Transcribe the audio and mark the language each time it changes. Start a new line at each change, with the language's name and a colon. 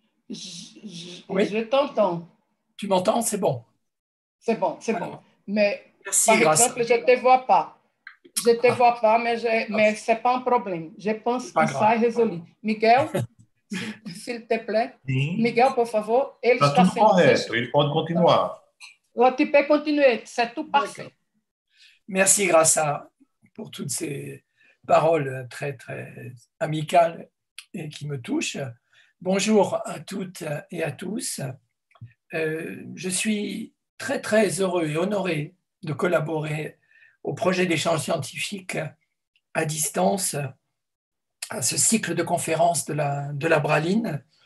French: Je t'entends. Tu m'entends? C'est bon. C'est bon. Mais merci, par exemple, je ne te vois pas. Je ne te vois pas, mais ce n'est pas un problème. Je pense que ça est résolu. Miguel, s'il te plaît. Miguel,
Portuguese: por favor.
French: Il
Portuguese: está tudo correto, il pode continuar.
French: Là, tu peux continuer, c'est tout parfait. Merci, Graça, pour toutes ces paroles très, très amicales et qui me touchent. Bonjour à toutes et à tous. Je suis très, très heureux et honoré de collaborer au projet d'échange scientifique à distance, à ce cycle de conférences de la Braline.